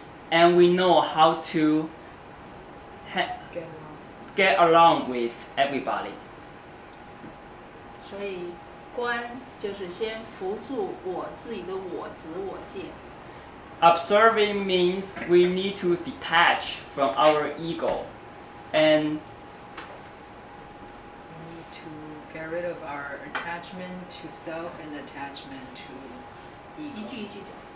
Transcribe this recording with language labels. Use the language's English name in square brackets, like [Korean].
[English] And we know how to get along with everybody. [Chinese] 所以观就是先扶住我自己的我执我见。 [English] Observing means we need to detach from our ego and we need to get rid of our attachment to self and attachment to ego. [Chinese] 一句一句讲。